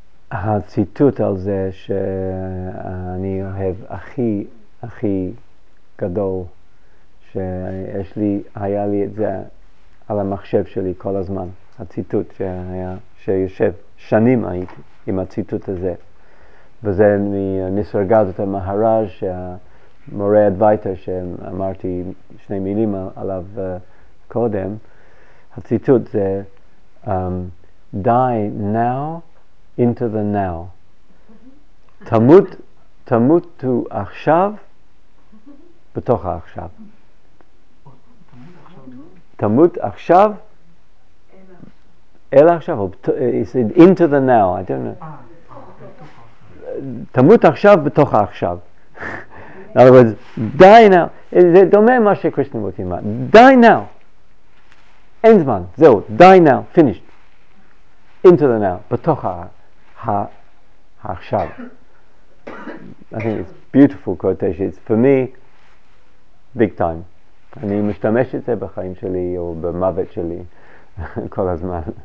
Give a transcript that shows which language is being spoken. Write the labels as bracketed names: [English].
[Hebrew] והציטוט על זה שאני אוהב הכי הכי גדול, שיש לי, היה לי את זה על המחשב שלי כל הזמן, הציטוט שהיה, שיושב שנים הייתי עם הציטוט הזה, וזה מניסרגדת המהרז, שהמורה אדווייטה שאמרתי שני מילים עליו קודם. הציטוט זה [English] die now into the now. [Hebrew] תמותו עכשיו בתוך העכשיו. תמות עכשיו אל עכשיו. [English] He said into the now. I don't know. [Hebrew] תמות עכשיו בתוך העכשיו. [English] In other words, die now. [Hebrew] זה דומה מה שקרישנה מוטי אמר. [English] Die now. [Hebrew] אין זמן, זהו, [English] die now, finished. Into the now, [Hebrew] בתוך העכשיו. [English] I think it's beautiful quotation. It's for me, big time. [Hebrew] אני משתמש את זה בחיים שלי או במוות שלי כל הזמן.